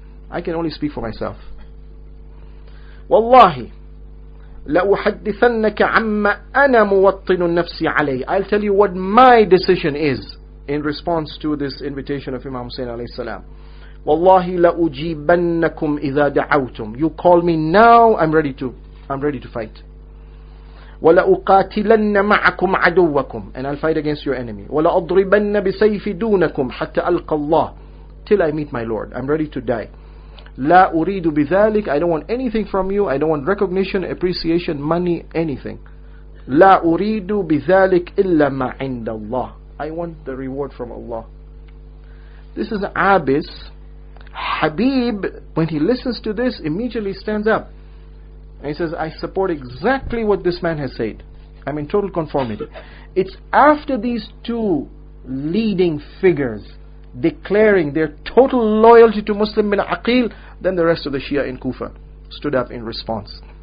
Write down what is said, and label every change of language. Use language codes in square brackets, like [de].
[en] I can only speak for myself. [ar] وَاللَّهِ لَأُحَدِّثَنَّكَ عَمَّ أَنَا مُوَطِّنُ النَّفْسِ عَلَيْهِ [en] I'll tell you what my decision is in response to this invitation of Imam Hussein alayhi salam. [ar] وَاللَّهِ لَأُجِيبَنَّكُمْ إِذَا دَعَوْتُمْ [en] You call me now, I'm ready to fight. [ar] وَلَأُقَاتِلَنَّ مَعَكُمْ عَدُوَّكُمْ [en] And I'll fight against your enemy. [ar] وَلَأُضْرِبَنَّ بِسَيْفِ دُونَكُمْ حَتَّى أَلْقَى اللَّهِ [en] Till I meet my Lord. I'm ready to die. [ar] لا أريد بذلك [en] I don't want anything from you. I don't want recognition, appreciation, money, anything. [ar] لا أريد بذلك إلا ما عند الله. [en] I want the reward from Allah. This is Abis. Habib, when he listens to this, immediately stands up. And he says, I support exactly what this man has said. I'm in total conformity. It's after these two leading figures declaring their total loyalty to Muslim bin Aqil, then the rest of the Shia in Kufa stood up in response.